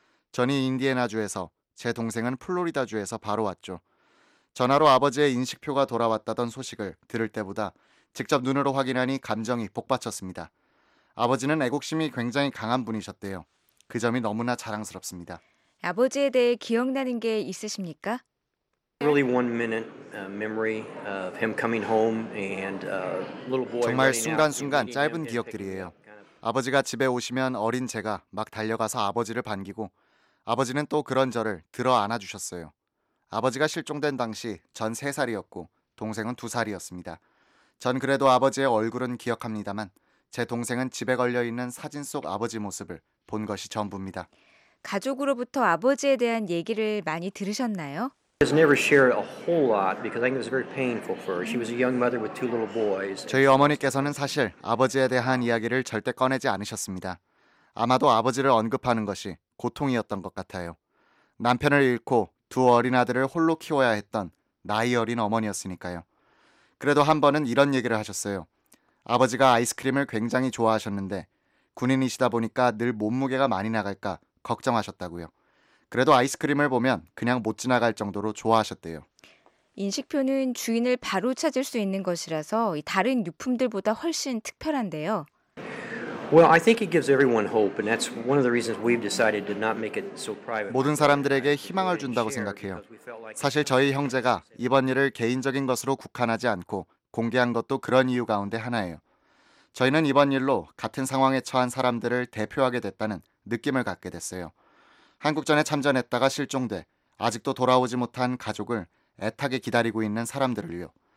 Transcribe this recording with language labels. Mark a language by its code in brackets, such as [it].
[ko] 전이 인디애나주에서 제 동생은 플로리다주에서 바로 왔죠. 전화로 아버지의 인식표가 돌아왔다던 소식을 들을 때보다 직접 눈으로 확인하니 감정이 복받쳤습니다. 아버지는 애국심이 굉장히 강한 분이셨대요. 그 점이 너무나 자랑스럽습니다. 아버지에 대해 기억나는 게 있으십니까? [en] Really one minute memory of him coming home and little boy. [ko] 정말 순간순간 짧은 기억들이에요. 아버지가 집에 오시면 어린 제가 막 달려가서 아버지를 반기고 아버지는 또 그런 저를 들어 안아주셨어요. 아버지가 실종된 당시 전 3살이었고 동생은 2살이었습니다. 전 그래도 아버지의 얼굴은 기억합니다만 제 동생은 집에 걸려있는 사진 속 아버지 모습을 본 것이 전부입니다. 가족으로부터 아버지에 대한 얘기를 많이 들으셨나요? [en] has never shared a whole lot because I think it was very painful for her. She was a young mother with two little boys. [ko] 저희 어머니께서는 사실 아버지에 대한 이야기를 절대 꺼내지 않으셨습니다. 아마도 아버지를 언급하는 것이 고통이었던 것 같아요. 남편을 잃고 두 어린 아들을 홀로 키워야 했던 나이 어린 어머니였으니까요. 그래도 한 번은 이런 얘기를 하셨어요. 아버지가 아이스크림을 굉장히 좋아하셨는데 군인이시다 보니까 늘 몸무게가 많이 나갈까 걱정하셨다고요. 그래도 아이스크림을 보면 그냥 못 지나갈 정도로 좋아하셨대요. 인식표는 주인을 바로 찾을 수 있는 것이라서 다른 유품들보다 훨씬 특별한데요. [en] Well, I think it gives everyone hope, and that's one of the reasons we've decided to not make it so private. [ko] 모든 사람들에게 희망을 준다고 생각해요. 사실 저희 형제가 이번 일을 개인적인 것으로 국한하지 않고 공개한 것도 그런 이유 가운데 하나예요. 저희는 이번 일로 같은 상황에 처한 사람들을 대표하게 됐다는 느낌을 갖게 됐어요. 한국전에 참전했다가 실종돼 아직도 돌아오지 못한 가족을 애타게 기다리고 있는 사람들을요.